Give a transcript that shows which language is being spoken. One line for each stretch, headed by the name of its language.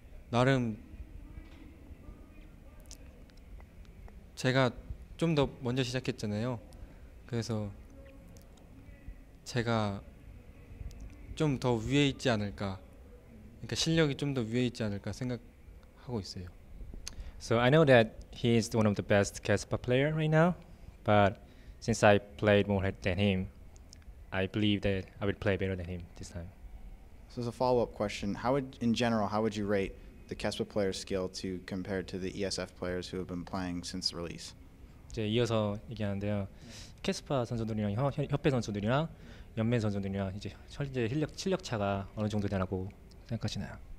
Korean: 나름 제가 좀 더 먼저 시작했잖아요. 그래서 제가 좀 더 위에 있지 않을까, 그러니까 실력이 좀 더 위에 있지 않을까 생각하고 있어요.
English: So I know that he is one of the best Kespa player right now, but since I played more than him, I believe that I will play better than him this time. So as a follow-up question, how would you rate the Kespa player's skill to compare to the ESF players who have been playing since the release?
Korean: 이제 이어서 얘기하는데요. 캐스퍼 선수들이랑 협회 선수들이랑 연맹 선수들이랑 이제 현재 실력 차가 어느 정도 되라고 생각하시나요?